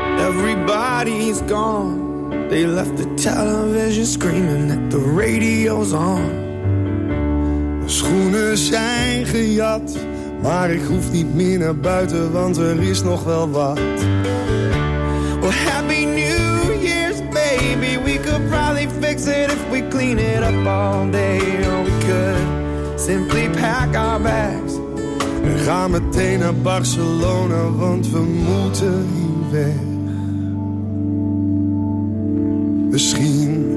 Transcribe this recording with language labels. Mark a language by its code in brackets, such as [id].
[en] Everybody's gone. They left the television screaming that the radio's on. [nl] Schoenen zijn gejat, maar ik hoef niet meer naar buiten, want er is nog wel wat. [en] Well, happy New Year's, baby. We could probably fix it if we clean it up all day. Or we could simply pack our bags. [nl] We gaan meteen naar Barcelona, want we moeten hier weg. Misschien.